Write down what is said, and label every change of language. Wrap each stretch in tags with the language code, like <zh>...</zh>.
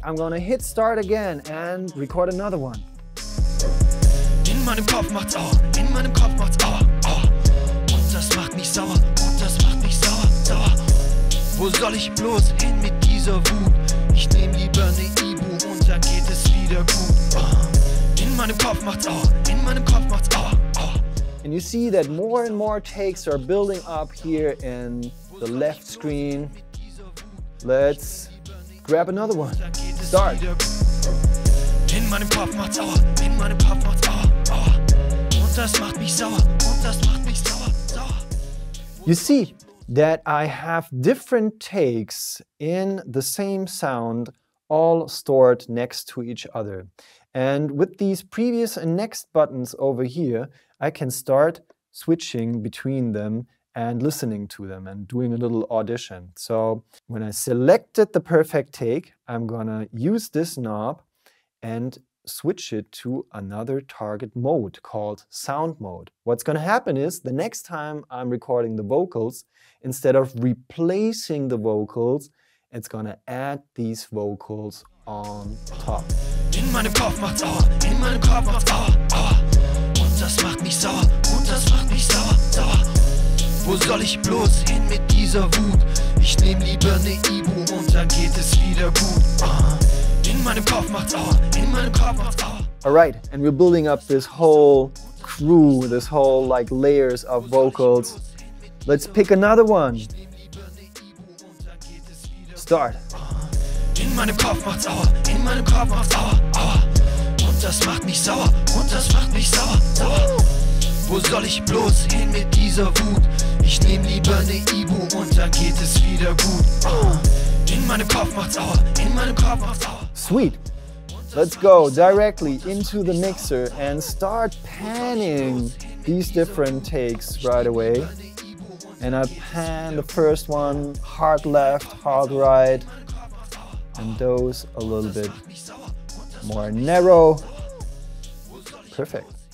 <en>I'm gonna hit start again and record another one.</en> <de>In meinem Kopf macht's Aua, in meinem Kopf macht's Aua, Aua. Und das macht mich sauer, und das macht mich sauer, sauer. Wo soll ich bloß hin mit dieser Wut? Ich nehm lieber ne Ibu und dann geht es wieder gut. In meinem Kopf macht's Aua, in meinem Kopf macht's Aua, Aua.</de> <en>And you see that more and more takes are building up here in the left screen. Let's grab another one. Start.</en> <de>In meinem Kopf macht's Aua, in meinem Kopf macht's Aua, Aua. Und das macht mich sauer, und das macht mich sauer, sauer.</de> <en>You see that I have different takes in the same sound all stored next to each other. And with these previous and next buttons over here, I can start switching between them and listening to them and doing a little audition. So when I selected the perfect take, I'm gonna use this knob and switch it to another target mode called sound mode. What's gonna happen is the next time I'm recording the vocals, instead of replacing the vocals, it's gonna add these vocals on top.</en> <de>In meinem Kopf macht's Aua, in meinem Kopf macht's Aua, Aua. Und das macht mich sauer, und das macht mich sauer, sauer. Wo soll ich bloß hin mit dieser Wut? Ich nehm lieber ne Ibu und dann geht es wieder gut. In meinem Kopf macht's Aua, in meinem Kopf macht's Aua.</de> <en>Alright, and we're building up this whole crew, this whole like layers of vocals. Let's pick another one.</en> <de>Start. In meinem Kopf macht's Aua, in meinem Kopf macht's Aua, Aua. Und das macht mich sauer, und das macht mich sauer, sauer. Wo soll ich bloß hin mit dieser Wut? Ich nehm lieber ne Ibu und dann geht es wieder gut. In meinem Kopf macht's Aua, in meinem Kopf macht's Aua. Sweet.</de> <en>Let's go directly into the mixer and start panning these different takes right away. And I pan the first one hard left, hard right, and those a little bit more narrow. Perfect.</en>